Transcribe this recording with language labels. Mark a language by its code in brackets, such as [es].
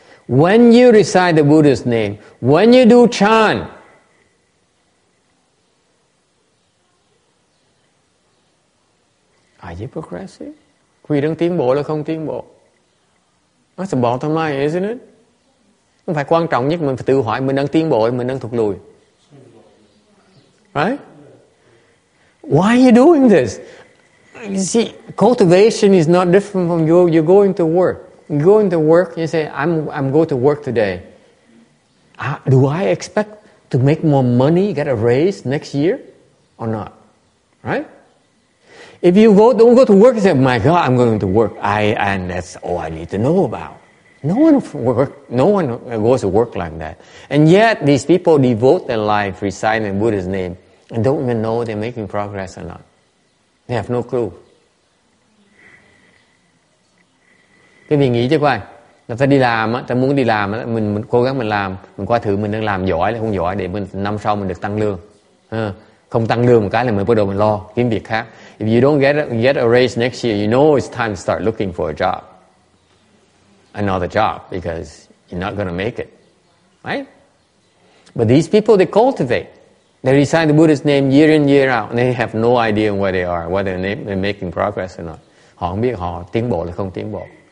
[en] When you recite the Buddha's name, when you do chan, are you progressive? [vi] Quý đang tiến bộ là không tiến bộ. [en] That's the bottom line, isn't it? [vi] Không phải quan trọng nhất, mình phải tự hỏi mình đang tiến bộ hay mình đang thụt lùi. [en] Right? Why are you doing this? You see, cultivation is not different from you're going to work. You're going to work, you say, I'm going to work today. Do I expect to make more money, get a raise next year or not? Right? If you don't go to work, you say, my God, I'm going to work. And that's all I need to know about. No one goes to work like that. And yet, these people devote their life reciting Buddha's name and don't even know they're making progress or not. They have no clue. [vi] Cái vì nghĩ chứ quay. Là ta đi làm, ta muốn đi làm, mình cố gắng mình làm. Mình qua thử mình đang làm giỏi hay không giỏi để năm sau mình được tăng lương. Không tăng lương một cái là mình bắt đầu mình lo kiếm việc khác. [en] If you don't get a raise next year, you know it's time to start looking for a job. Another job, because you're not going to make it. Right? But these people, they cultivate. They recite the Buddha's name year in, year out, and they have no idea where they are, whether they're making progress or not. [vi] Họ không biết họ tiến bộ hay không tiến bộ.